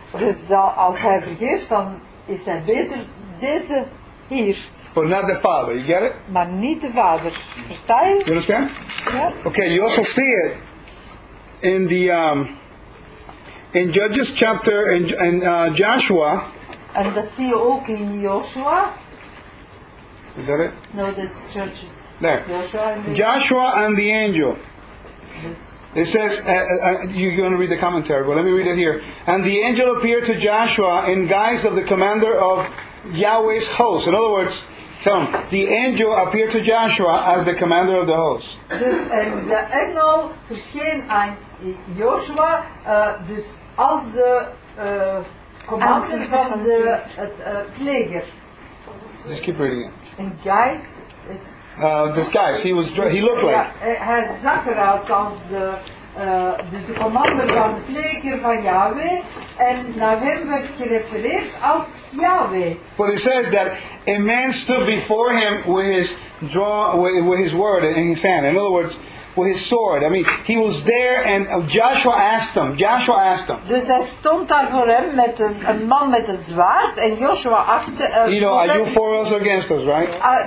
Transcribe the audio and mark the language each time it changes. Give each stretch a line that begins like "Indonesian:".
Dutch: Dus dat als hij vergeeft, dan is hij beter deze hier.
English: But not the Father, you get it?
Dutch: Maar niet de Vader. Versta je?
English: You understand?
Dutch: Ja.
English: Okay, you also see it in the in Judges chapter in Joshua.
Dutch: En dat zie je ook in Joshua.
English: Is that it? No, that's Judges. There. Joshua and the angel. Yes. It says, you're going to read the commentary, but let me read it here. And the angel appeared to Joshua in guise of the commander of Yahweh's host. In other words, tell him, the angel appeared to Joshua as the commander of the host.
Dutch: Dus de engel verscheen aan Joshua, dus als de... commander van het leger.
English: Just keep reading it. In guys. This guy, he was he looked like.
Dutch: Hij zag eruit als de commander van het leger van Yahweh. En naar hem werd gerefereerd als Yahweh.
English: But it says that a man stood before him with his word in his hand. In other words, with his sword. I mean, he was there, and Joshua asked him. Joshua asked him.
Dutch: Dus hij stond daar voor hem met een man met een zwaard, en Joshua achter.
English: You know, are you for us or against us, right?